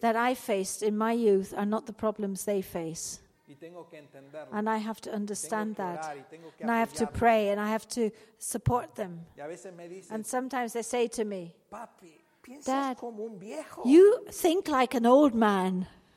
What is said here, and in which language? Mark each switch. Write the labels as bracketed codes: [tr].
[en] That I faced in my youth are not the problems they face. [es] Y tengo que entenderlo. [en] And I have to understand [es] tengo que [en] that. [es] Y tengo que [en] and I have to pray and I have to support them. [es] Y a veces me dicen, [en] and sometimes they say to me, [es] Papi, ¿piensas [en] Dad, [es] como un viejo? [en] You think like an old man.